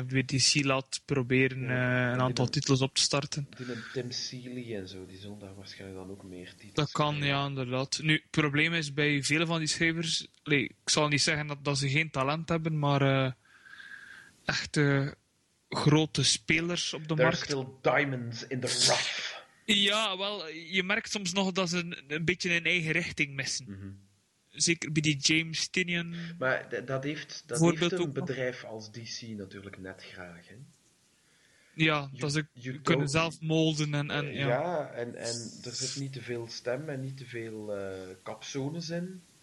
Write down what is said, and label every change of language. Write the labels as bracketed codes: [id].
[nl] Of bij DC laat proberen een aantal titels op te starten. Die Tim Seeley en zo, die zullen daar waarschijnlijk dan ook meer titels. Dat kan, krijgen. Ja, inderdaad. Nu, het probleem is bij vele van die schrijvers. Ik zal niet zeggen dat ze geen talent hebben, maar echte grote spelers op de markt. [en] There are still diamonds in the rough. [nl] Ja, wel, je merkt soms nog dat ze een beetje in eigen richting missen. Mm-hmm. Zeker bij die James Tynion. Maar dat heeft een bedrijf als DC natuurlijk net graag, hè? Ja, dat ze kunnen zelf molden en ja. Ja, en er zit niet te veel stem en niet te veel kapzones in.